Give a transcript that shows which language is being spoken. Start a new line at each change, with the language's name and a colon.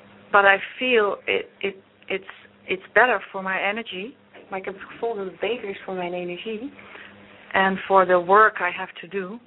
English: But I feel it's better for my energy.
Dutch: Maar ik heb het gevoel dat het beter is voor mijn energie.
English: And for the work I have to do.